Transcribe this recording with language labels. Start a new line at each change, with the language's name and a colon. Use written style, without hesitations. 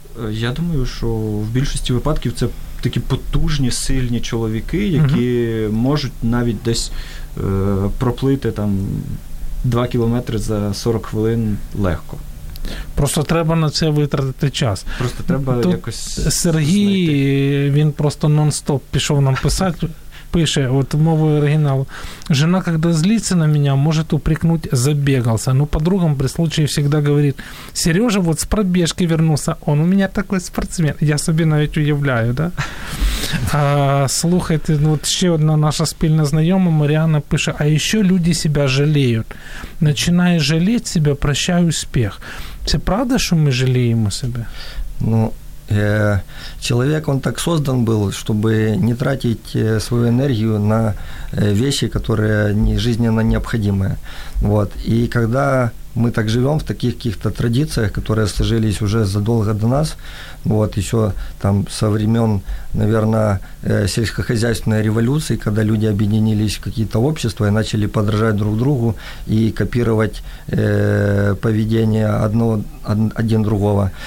Ukrainian: Я думаю, що в більшості випадків це такі потужні, сильні чоловіки, які можуть навіть десь проплити там 2 кілометри за 40 хвилин легко. Просто треба на це витратити час. Просто треба тут якось Сергій, знайти. Він просто нон-стоп пішов нам писати, пише, от мовою оригіналу.
Russian: Жена, когда злиться на меня, может упрекнуть, забегался. Но подругам при случае всегда говорит, Сережа вот с пробежки вернулся, он у меня такой спортсмен.
Ukrainian: Я собі навіть уявляю, да? А, слухайте, вот ще одна наша спільна знайома, Маріана, пише,
Russian: а еще люди себя жалеют. Начиная жалеть себя, прощаю успех.
Ukrainian: Це правда, що ми жалеємо себе?
Russian: Ну, человек, он так создан был, чтобы не тратить свою энергию на вещи, которые не жизненно необходимы. Вот. И когда мы так живем в таких каких-то традициях, которые сложились уже задолго до нас, вот, еще там со времен, наверное, сельскохозяйственной революции, когда люди объединились в какие-то общества и начали подражать друг другу и копировать поведение один другого.